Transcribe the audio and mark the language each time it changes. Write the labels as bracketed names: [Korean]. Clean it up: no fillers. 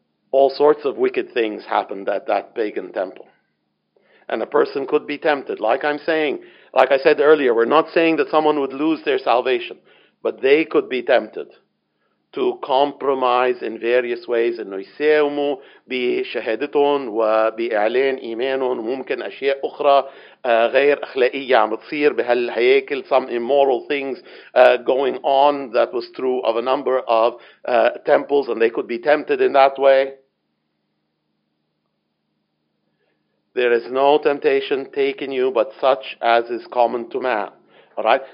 [English] All sorts of wicked things happened at that pagan temple. And a person could be tempted. Like I said earlier, we're not saying that someone would lose their salvation. But they could be tempted to compromise in various ways. [Arabic] إنه يساوموا بشهادتهم وبإعلان إيمانهم وممكن أشياء أخرى غير أخلاقية عم تصير بهالهياكل. [English] Some immoral things going on that was true of a number of temples, and they could be tempted in that way. There is no temptation taking you but such as is common to man. All right.